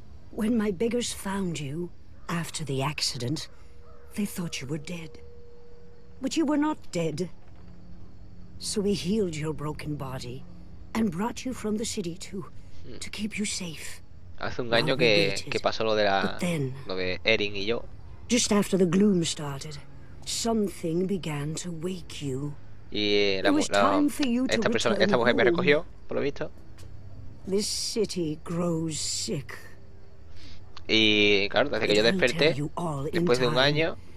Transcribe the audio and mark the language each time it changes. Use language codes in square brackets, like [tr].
[en] When my beggars found you after the accident, they thought you were dead. But you were not dead. So we healed your broken body and brought you from the city to keep you safe. [es] Hace un año que pasó lo de Erin y yo. [en] Just after the gloom started, something began to wake you. [es] Y esta mujer me recogió, por lo visto. [en] This city grows sick. [es] Y claro, desde que yo desperté, después de un año,